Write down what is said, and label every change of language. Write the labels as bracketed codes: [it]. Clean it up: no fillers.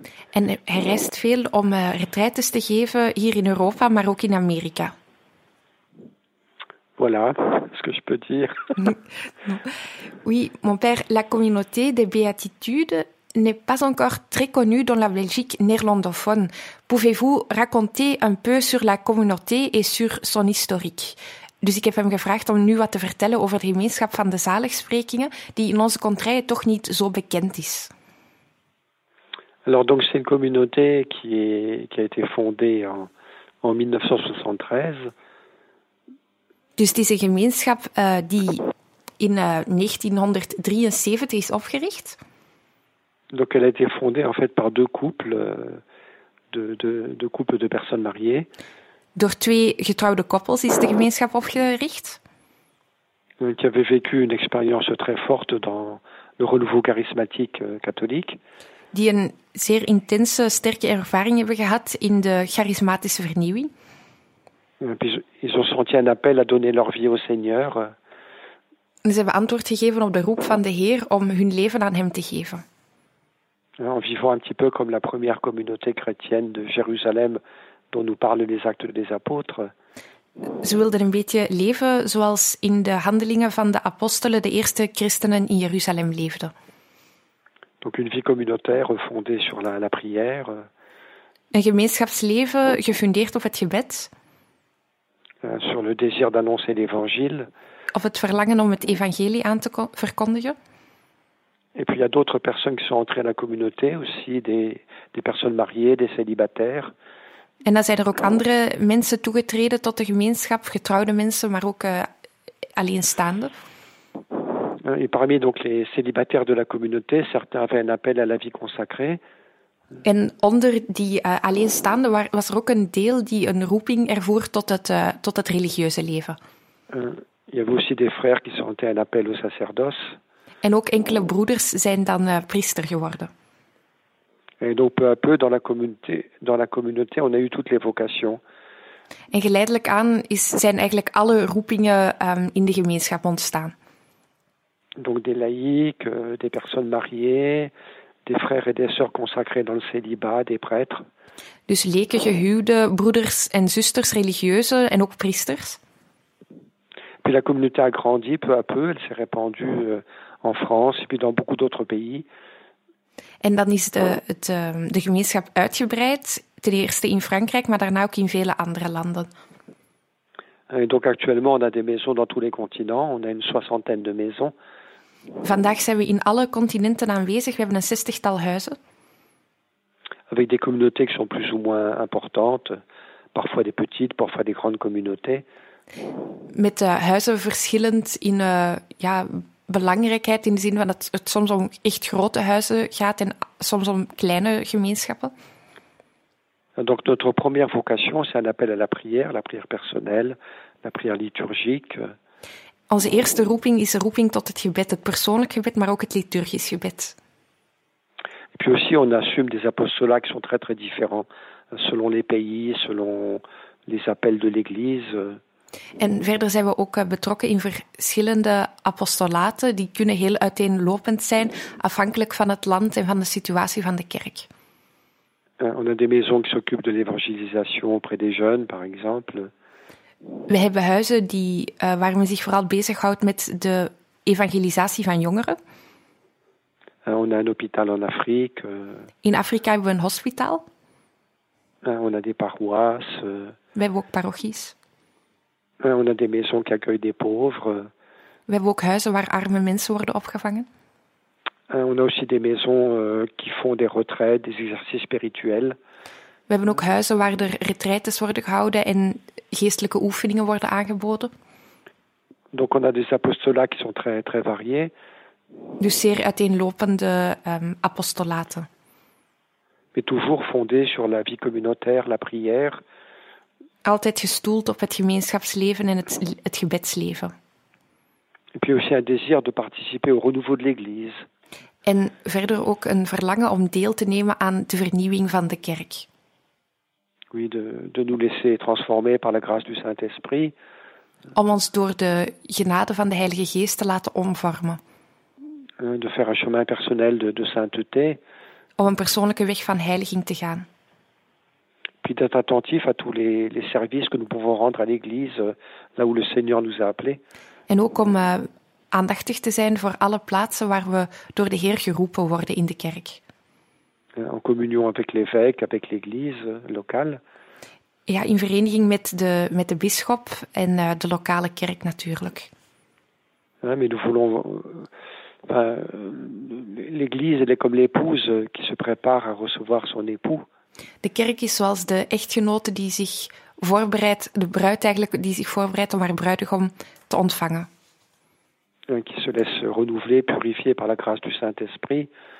[nl] En hij reist veel om retraites te geven hier in Europa, maar ook in Amerika. [fr] Voilà ce que je peux dire. Oui, mon père, la communauté des Béatitudes n'est pas encore très connue dans la Belgique néerlandophone. Pouvez-vous raconter un peu sur la communauté et sur son historique? [nl] Dus ik heb hem gevraagd om nu wat te vertellen over de gemeenschap van de zaligsprekingen, die in onze contrée toch niet zo bekend is. [fr] Alors donc c'est une communauté qui a été fondée en 1973. [nl] Dus het is een gemeenschap die in 1973 is opgericht. [fr] Donc elle a été fondée en fait par deux couples de couples de personnes mariées. [nl] Door twee getrouwde koppels is de gemeenschap opgericht. [fr] Qui avait vécu une expérience très forte dans le renouveau charismatique catholique. [nl] Die een zeer intense, sterke ervaring hebben gehad in de charismatische vernieuwing. [fr] Ils ont senti un appel à donner leur vie au Seigneur. [nl] Ze hebben antwoord gegeven op de roep van de Heer om hun leven aan hem te geven. [fr] En vivant un petit peu comme la première communauté chrétienne de Jérusalem. Dont nous parlent les actes des apôtres. [nl] Ze wilden een beetje leven zoals in de handelingen van de apostelen, de eerste christenen in Jeruzalem leefden. [fr] Donc une vie communautaire fondée sur la prière. [nl] Een gemeenschapsleven gefundeerd op het gebed. [fr] Sur le désir d'annoncer l'évangile. [nl] Of het verlangen om het evangelie aan te verkondigen. [fr] Et puis il y a d'autres personnes qui sont entrées à la communauté aussi, des personnes mariées, des célibataires. [nl] En dan zijn er ook andere mensen toegetreden tot de gemeenschap, getrouwde mensen, maar ook alleenstaande. [fr] Et parmi donc les célibataires de la communauté, certains avaient un appel à la vie consacrée. [nl] En onder die alleenstaande was er ook een deel die een roeping ervoor tot het religieuze leven. [fr] Il y avait aussi des frères qui sentaient un appel au sacerdoce. [nl] En ook enkele broeders zijn dan priester geworden. [fr] Et donc peu à peu dans la communauté, on a eu toutes les vocations. [nl] En geleidelijk aan zijn eigenlijk alle roepingen in de gemeenschap ontstaan. [fr] Donc des laïcs, des personnes mariées, des frères et des sœurs consacrés dans le célibat, des prêtres. [nl] Dus leken, gehuwde, broeders en zusters, religieuze en ook priesters. [fr] Puis la communauté a grandi peu à peu, elle s'est répandue en France et puis dans beaucoup d'autres pays. [nl] En dan is de gemeenschap uitgebreid, ten eerste in Frankrijk, maar daarna ook in vele andere landen. [fr] Et donc actuellement on a des maisons dans tous les continents, on a une soixantaine de maisons. [nl] Vandaag zijn we in alle continenten aanwezig, we hebben een 60-tal huizen. [fr] Avec des communautés qui sont plus ou moins importantes, parfois des petites, parfois des grandes communautés. [nl] Met huizen verschillend in belangrijkheid, in de zin van dat het soms om echt grote huizen gaat en soms om kleine gemeenschappen. [fr] Donc notre première vocation, c'est un appel à la prière personnelle, la prière liturgique. [nl] Onze eerste roeping is een roeping tot het gebed, het persoonlijk gebed, maar ook het liturgisch gebed. [fr] Et puis aussi, on assume des apostolats qui sont très très différents, selon les pays, selon les appels de l'Église. [nl] En verder zijn we ook betrokken in verschillende apostolaten, die kunnen heel uiteenlopend zijn, afhankelijk van het land en van de situatie van de kerk. [fr] On a des maisons qui s'occupent de l'évangélisation auprès des jeunes, par exemple. [nl] We hebben huizen die, waar men zich vooral bezighoudt met de evangelisatie van jongeren. [fr] On a un hôpital en Afrique. [nl] In Afrika hebben we een hospitaal. [fr] On a des paroisses. [nl] We hebben ook parochies. [fr] On a des maisons qui accueillent des pauvres. [nl] We hebben ook huizen waar arme mensen worden opgevangen. [fr] On a aussi des maisons qui font des retraites, des exercices spirituels. [nl] We hebben ook huizen waar er retraites worden gehouden en geestelijke oefeningen worden aangeboden. [fr] Donc on a des apostolats qui sont très très variés. [nl] Dus zeer uiteenlopende apostolaten. [fr] Mais toujours fondés sur la vie communautaire, la prière. [nl] Altijd gestoeld op het gemeenschapsleven en het gebedsleven. [fr] Et puis aussi un désir de participer au renouveau de l'Église. [nl] En verder ook een verlangen om deel te nemen aan de vernieuwing van de kerk. [fr] Oui, de nous laisser transformer par la grâce du Saint-Esprit. [nl] Om ons door de genade van de Heilige Geest te laten omvormen. [fr] De faire un chemin personnel de sainteté. [nl] Om een persoonlijke weg van heiliging te gaan. [fr] Puis d'être attentif à tous les services que nous pouvons rendre à l'Église, là où le Seigneur nous a appelés. [nl] En ook om aandachtig te zijn voor alle plaatsen waar we door de Heer geroepen worden in de kerk. [fr] En communion avec l'évêque, avec l'église locale. [nl] Ja, in vereniging met de bisschop en de lokale kerk natuurlijk. [fr] Ja, mais nous voulons l'église est comme l'épouse qui se prépare à recevoir son époux. [nl] De kerk is zoals de echtgenote die zich voorbereidt, de bruid eigenlijk die zich voorbereidt om haar bruidegom te ontvangen. [fr] Qui se laisse renouveler, purifier par la grâce du Saint-Esprit.